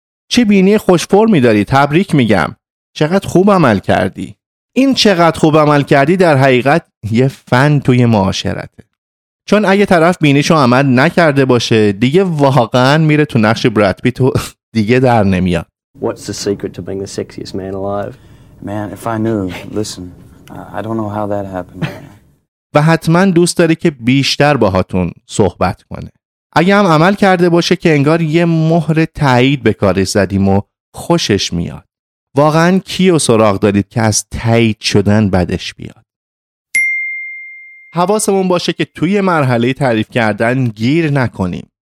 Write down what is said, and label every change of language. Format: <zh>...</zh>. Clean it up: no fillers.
<fa>چه بینی خوش فرمی داری، تبریک میگم. چقدر خوب عمل کردی. این چقدر خوب عمل کردی در حقیقت یه فن توی معاشرته. چون اگه طرف بینیشو عمل نکرده باشه، دیگه واقعا میره تو نقش براد پیت و دیگه در نمیاد.</fa> <en>What's the secret to being the sexiest man alive? Man, if I knew, listen, I don't know how that happened.</en> <fa>و حتما دوست داره که بیشتر باهاتون صحبت کنه. اگه هم عمل کرده باشه که انگار یه مهر تایید به کارش زدیم و خوشش میاد. واقعا کیو سراغ دارید که از تایید شدن بدش بیاد؟ حواسمون باشه که توی مرحله تعریف کردن گیر نکنیم.</fa>